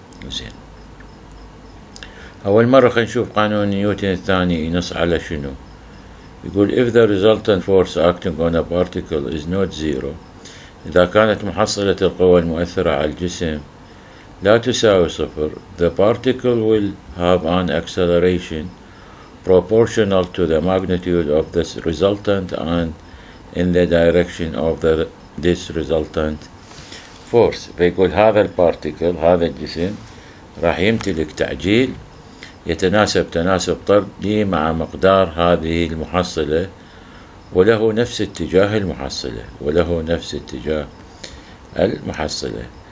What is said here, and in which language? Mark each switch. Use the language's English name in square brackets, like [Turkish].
[Arabic] زين، أول مرة نشوف قانون نيوتن الثاني ينص على شنو. [English] يقول if the resultant force acting on a particle is not zero، [Arabic] إذا كانت محصلة القوى المؤثرة على الجسم لا تساوي صفر، [English] the particle will have an acceleration proportional to the magnitude of this resultant and in the direction of this resultant force. [Arabic] فيقول هذا البارتيكل، هذا الجسم راح يمتلك تعجيل يتناسب تناسب طردي مع مقدار هذه المحصلة، وله نفس اتجاه المحصلة، وله نفس اتجاه المحصلة.